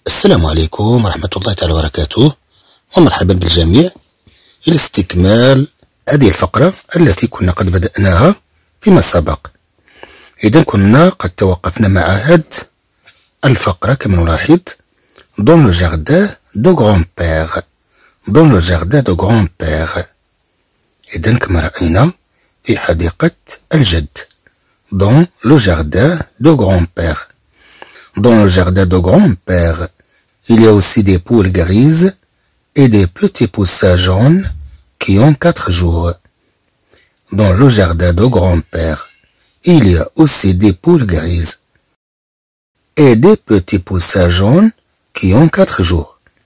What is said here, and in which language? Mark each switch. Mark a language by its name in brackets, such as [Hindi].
[Arabic] السلام عليكم ورحمة الله تعالى وبركاته، ومرحبا بالجميع إلى استكمال هذه الفقرة التي كنا قد بدأناها فيما سبق. إذن كنا قد توقفنا مع هاد الفقرة كما نلاحظ، [French] dans le jardin de grand-père، dans le jardin de grand-père. [Arabic] إذن كما رأينا في حديقة الجد، [French] dans le jardin de grand-père. Dans le jardin de grand-père, il y a aussi des poules grises et des petits poussins jaunes qui ont 4 jours. Dans le jardin de grand-père, il y a aussi des poules grises et des petits poussins jaunes qui ont 4 jours.